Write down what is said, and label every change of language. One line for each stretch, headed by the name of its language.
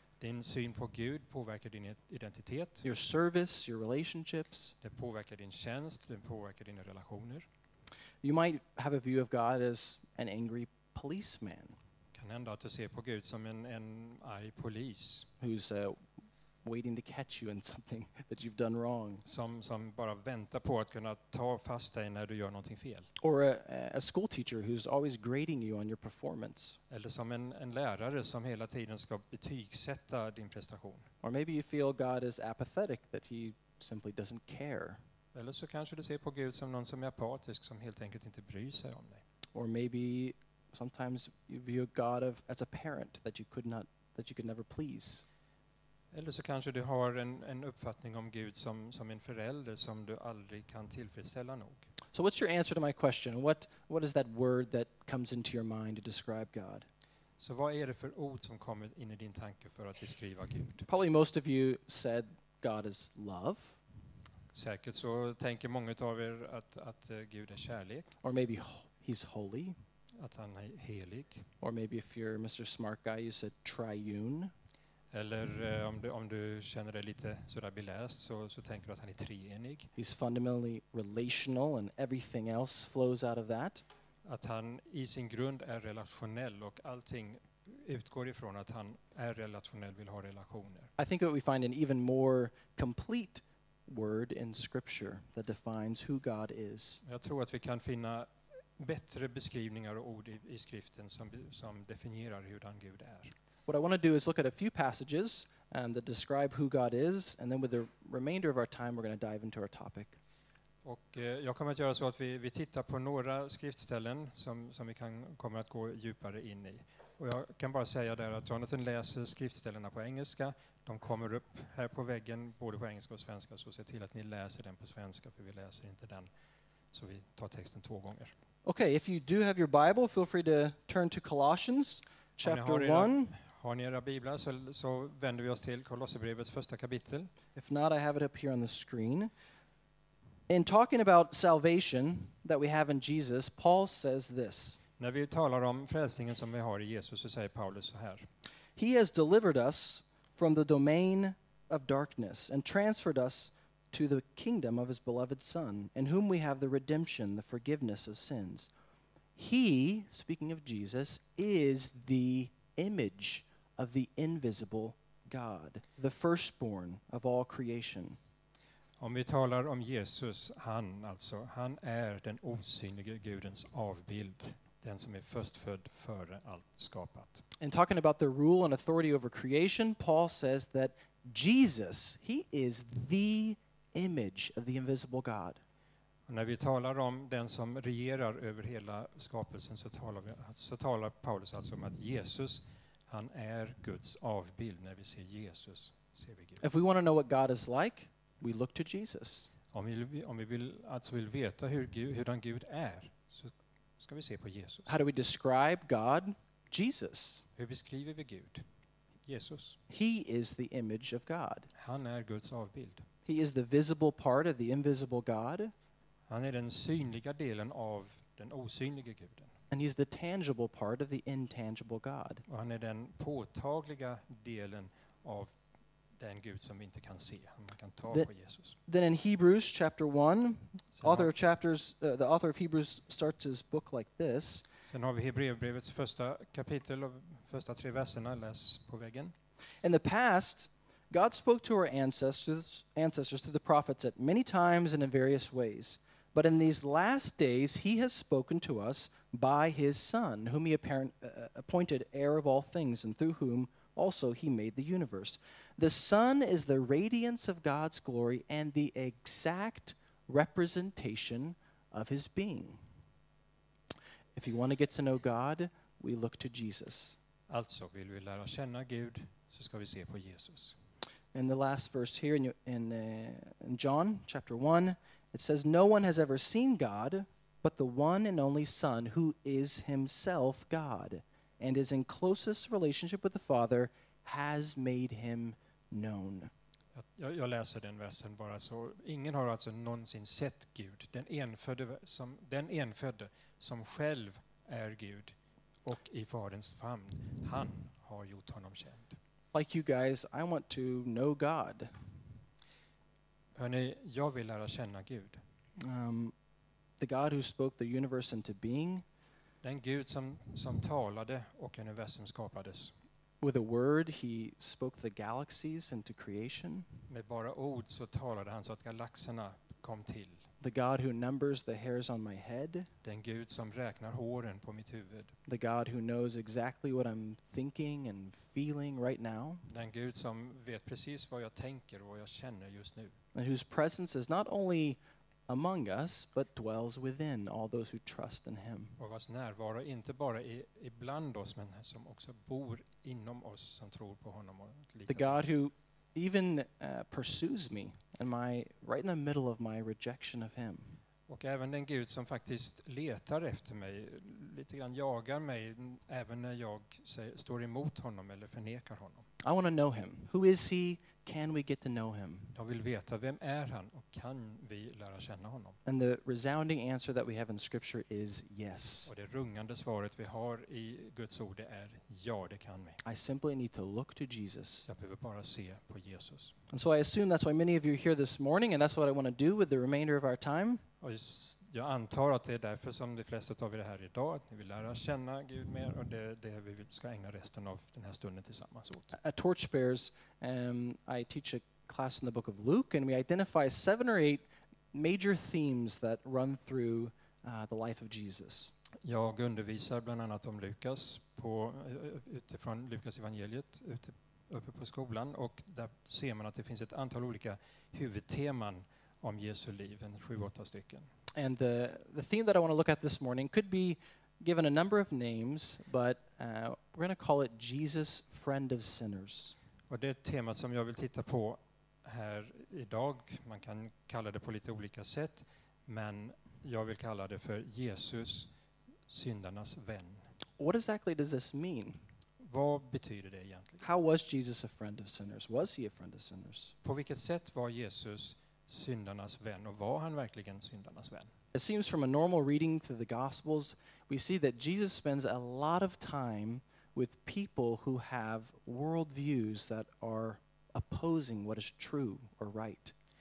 Swedish: Din syn på Gud påverkar din identitet.
English: Your service, your relationships.
Swedish: Det påverkar din tjänst, det påverkar dina relationer.
English: You might have a view of God as an angry policeman.
Swedish: Kan ändå att du ser på Gud som en arg polis.
English: Who's waiting to catch you in something that you've done wrong.
Swedish: Som bara väntar på att kunna ta fast dig när du gör någonting fel.
English: Or a school teacher who's always grading you on your performance.
Swedish: Eller som en lärare som hela tiden ska betygsätta din prestation.
English: Or maybe you feel God is apathetic, that he simply doesn't care.
Swedish: Eller så kanske du ser på Gud som någon som är apatisk, som helt enkelt inte bryr sig om dig.
English: Or maybe sometimes you view God as a parent that you could never please.
Swedish: Eller så kanske du har en uppfattning om Gud som en förälder som du aldrig kan tillfredsställa nog.
English: So what's your answer to my question? What is that word that comes into your mind to describe God?
Swedish: Så vad är det för ord som kommer in i din tanke för att beskriva Gud?
English: Probably most of you said God is love.
Swedish: Säkert så tänker många av er att Gud är kärlek.
English: Or maybe he's holy.
Swedish: Att han är helig.
English: Or maybe if you're Mr. Smart Guy, you said triune.
Swedish: Eller om du känner dig lite sådär beläst, så tänker du att han är treenig.
English: He's fundamentally relational and everything else flows out of that.
Swedish: Att han i sin grund är relationell och allting utgår ifrån att han är relationell, vill ha relationer.
English: I think that we find an even more complete word in scripture that defines who God is.
Swedish: Jag tror att vi kan finna bättre beskrivningar och ord i skriften som definierar hur den Gud är.
English: What I want to do is look at a few passages that describe who God is, and then with the remainder of our time we're going to dive into our topic.
Swedish: Och jag kommer att göra så att vi tittar på några skriftställen som vi kommer att gå djupare in i. Och jag kan bara säga där att Jonathan läser skriftställena på engelska. De kommer upp här på väggen, både på engelska och svenska, så se till att ni läser den på svenska, för vi läser inte den. Så vi tar texten två gånger.
English: Okay, if you do have your Bible, feel free to turn to Colossians chapter 1.
Swedish: Har ni era biblar så vänder vi oss till Kolosserbrevets första kapitel.
English: If not, I have it up here on the screen. In talking about salvation that we have in Jesus, Paul says this.
Swedish: När vi talar om frälsningen som vi har i Jesus så säger Paulus så här.
English: He has delivered us from the domain of darkness and transferred us to the kingdom of his beloved son, in whom we have the redemption, the forgiveness of sins. He, speaking of Jesus, is the image of the invisible God, the firstborn of all creation.
Swedish: Om vi talar om Jesus, han är den osynliga Gudens avbild, den som är förstfödd före allt skapat.
English: And talking about the rule and authority over creation, Paul says that Jesus, he is the image of the invisible God.
Swedish: Och när vi talar om den som regerar över hela skapelsen så talar Paulus alltså om att Jesus, han är Guds avbild. När vi ser Jesus, ser vi Gud.
English: If we want to know what God is like, we look to Jesus.
Swedish: Om vi vill veta hur Gud är, så ska vi se på Jesus.
English: How do we describe God? Jesus.
Swedish: Hur beskriver vi Gud? Jesus.
English: He is the image of God.
Swedish: Han är Guds avbild.
English: He is the visible part of the invisible God.
Swedish: Han är den synliga delen av den osynliga Guden.
English: And he's the tangible part of the intangible God.
Swedish: Och han är den påtagliga delen av den Gud som vi inte kan se. Man kan ta på Jesus.
English: Then in Hebrews chapter 1, the author of Hebrews starts his book like this.
Swedish: Sen har vi Hebreerbrevets första kapitel och första tre verserna, läs på väggen.
English: In the past, God spoke to our ancestors through the prophets at many times and in various ways. But in these last days, he has spoken to us by his son, whom he appointed heir of all things, and through whom also he made the universe. The son is the radiance of God's glory and the exact representation of his being. If you want to get to know God, we look to Jesus.
Swedish: Alltså, vill vi lära känna Gud, så ska vi se på Jesus.
English: In the last verse here in John chapter 1, it says, no one has ever seen God, but the one and only Son, who is himself God, and is in closest relationship with the Father, has made him known.
Swedish: Jag läser den versen bara så. Ingen har alltså någonsin sett Gud. Den enfödde som själv är Gud och i Faderns famn, han har gjort honom känd.
English: Like you guys, I want to know God.
Swedish: Hörrni, jag vill lära känna Gud.
English: The God who spoke the universe into being.
Swedish: Den Gud som talade och universum skapades.
English: With a word, he spoke the galaxies into creation.
Swedish: Med bara ord så talade han så att galaxerna kom till.
English: The God who numbers the hairs on my head.
Swedish: Den Gud som räknar håren på mitt huvud.
English: The God who knows exactly what I'm thinking and feeling right now.
Swedish: Den Gud som vet precis vad jag tänker och vad jag känner just nu.
English: And whose presence is not only among us, but dwells within all those who trust in him.
Swedish: Och vars närvaro inte bara är bland oss, men som också bor inom oss som tror på honom.
English: The God who even pursues me and my right in the middle of my rejection of him.
Swedish: Och även den Gud som faktiskt letar efter mig, lite grann jagar mig även när jag står emot honom eller förnekar honom.
English: I want to know him. Who is he? Can we get to know him?
Swedish: Jag vill veta, vem är han och kan vi lära känna honom?
English: And the resounding answer that we have in scripture is yes.
Swedish: Och det rungande svaret vi har i Guds ord är ja, det kan vi.
English: I simply need to look to Jesus.
Swedish: Jag behöver bara se på Jesus.
English: And so I assume that's why many of you are here this morning, and that's what I want to do with the remainder of our time.
Swedish: Och jag antar att det är därför som de flesta av er är här idag, att ni vill lära känna Gud mer, och det är det vi ska ägna resten av den här stunden tillsammans åt.
English: At Torchbearers, I teach a class in the book of Luke, and we identify 7 or 8 major themes that run through the life of Jesus.
Swedish: Jag undervisar bland annat om Lukas utifrån Lukas evangeliet uppe på skolan, och där ser man att det finns ett antal olika huvudteman om Jesu liv, 7-8 stycken.
English: And the theme that I want to look at this morning could be given a number of names, but we're going to call it Jesus, friend of sinners.
Swedish: Och det är ett tema som jag vill titta på här idag. Man kan kalla det på lite olika sätt, men jag vill kalla det för Jesus, syndarnas vän.
English: What exactly does this mean?
Swedish: Vad betyder det egentligen?
English: How was Jesus a friend of sinners? Was he a friend of sinners?
Swedish: På vilket sätt var Jesus syndarnas vän och var han verkligen syndarnas vän?
English: It seems from a normal reading through the Gospels, we see that Jesus spends a lot of time with people who have worldviews that are opposing what is true or right.